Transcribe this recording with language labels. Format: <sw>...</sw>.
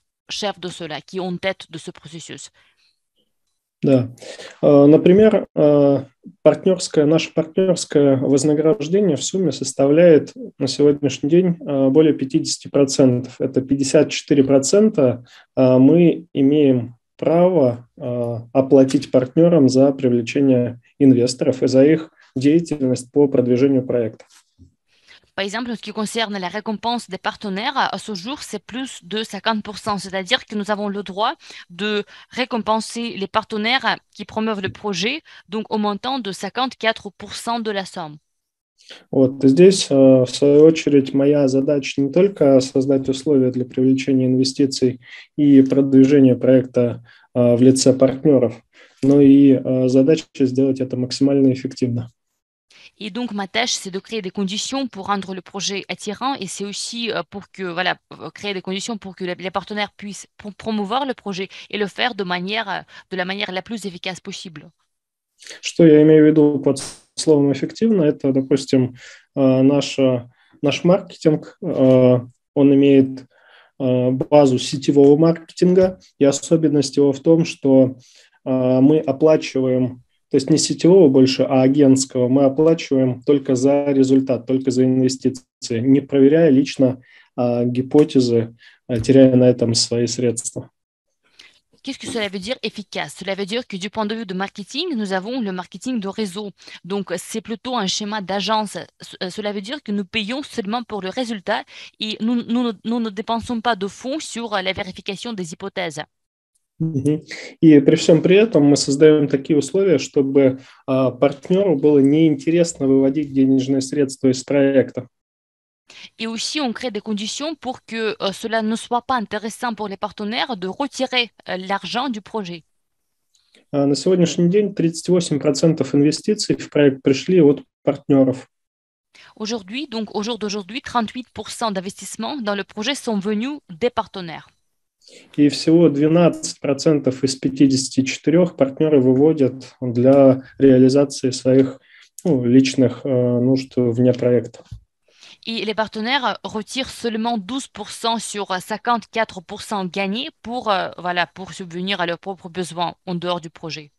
<fr>chef de cela, qui est en tête de ce processus.</fr> <ru>Да. Например, партнерское, наше партнерское вознаграждение в сумме составляет на сегодняшний день более 50%. Это 54% мы имеем право оплатить партнерам за привлечение инвесторов и за их деятельность по продвижению проекта.</ru> <fr>Par exemple, en ce qui concerne la récompense des partenaires, à ce jour, c'est plus de 50%, c'est-à-dire que nous avons le droit de récompenser les partenaires qui promeuvent le projet, donc au montant de 54% de la somme.</fr> <ru>Вот здесь, в свою очередь, моя задача не только создать условия для привлечения инвестиций и продвижения проекта в лице партнеров, но и задача сделать это максимально эффективно.</ru> <fr>Et donc, ma tâche, c'est de créer des conditions pour rendre le projet attirant et c'est aussi pour que, voilà, créer des conditions pour que les partenaires puissent promouvoir le projet et le faire de manière, de la manière la plus efficace possible.</fr> <ru>Что я имею в виду под словом эффективно, это, допустим, наш маркетинг, он имеет базу сетевого маркетинга, и особенность его в том, что мы оплачиваем, то есть не сетевого больше, а агентского, мы оплачиваем только за результат, только за инвестиции, не проверяя лично гипотезы, теряя на этом свои средства.</ru> <fr>Qu'est-ce que cela veut dire efficace? Cela veut dire que du point de vue de marketing, nous avons le marketing de réseau. Donc, c'est plutôt un schéma d'agence. Cela veut dire que nous payons seulement pour le résultat et nous ne dépensons pas de fonds sur la vérification des hypothèses.</fr> <ru>И при всем при этом мы создаем такие условия, чтобы партнеру было неинтересно выводить денежные средства из проекта.</ru> <fr>Et aussi, on crée des conditions pour que cela ne soit pas intéressant pour les partenaires de retirer l'argent du projet.</fr> <ru>На сегодняшний день 38% инвестиций в проект пришли от партнеров.</ru> <fr>Aujourd'hui, donc au jour d'aujourd'hui, 38% d'investissements dans le projet sont venus des partenaires.</fr> <ru>И всего 12% из 54 партнеры выводят для реализации своих личных нужд вне проекта.</ru> <fr>Et les partenaires retirent seulement 12% sur 54% gagnés pour, voilà, pour subvenir à leurs propres besoins en dehors du projet.</fr>